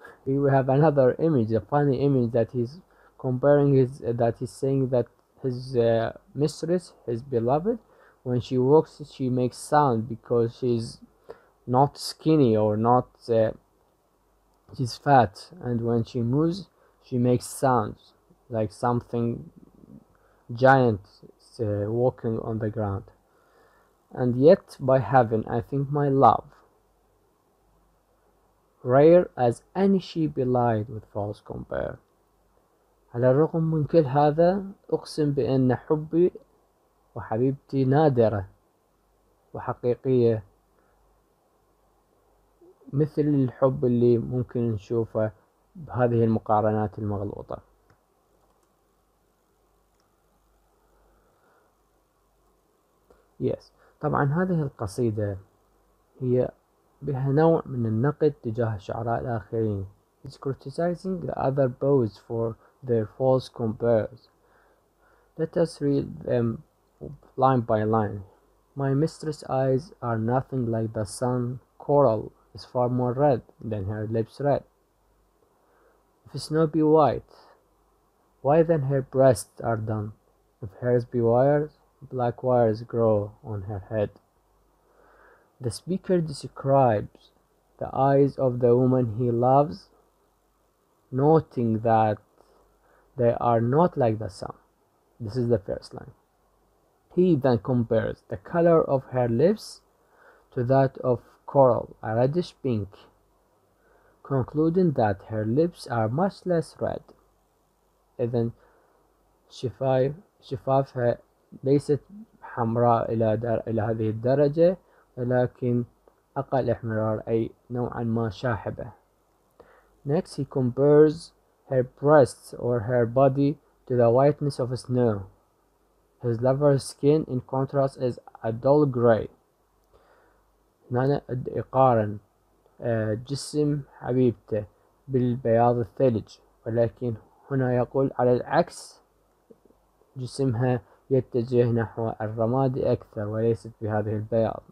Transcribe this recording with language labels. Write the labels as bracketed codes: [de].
[en] Here we have another image, a funny image that he's comparing his, that he's saying that his mistress, his beloved, when she walks, she makes sound because she's not skinny or not, she's fat, and when she moves, she makes sounds. Like something giant walking on the ground. And yet, by heaven, I think my love, rare as any she belied with false compare. [ar] على الرغم من كل هذا, أقسم بأن حبي وحبيبتي نادرة وحقيقية مثل الحب اللي ممكن نشوفه بهذه المقارنات المغلوطة. [en] Yes. [ar] طبعا هذه القصيدة هي بها نوع من النقد تجاه الشعراء الآخرين. [en] It's criticizing the other poets for their false compares. Let us read them line by line. My mistress' eyes are nothing like the sun. Coral is far more red than her lips red. If snow be white, why then her breasts are dun? If hairs be wires, black wires grow on her head. The speaker describes the eyes of the woman he loves, noting that they are not like the sun. This is the first line. He then compares the color of her lips to that of coral, a reddish pink, concluding that her lips are much less red. And then [ar] شفاف her ليست حمراء إلى هذه الدرجة, ولكن أقل إحمرار, أي نوعا ما شاحبة. [en] Next, he compares her breasts or her body to the whiteness of snow. His lover's skin, in contrast, is a dull gray. [ar] معنى يقارن جسم حبيبته بالبياض الثلج، ولكن هنا يقول على العكس، جسمها يتجه نحو الرماد أكثر وليست بهذه البياض.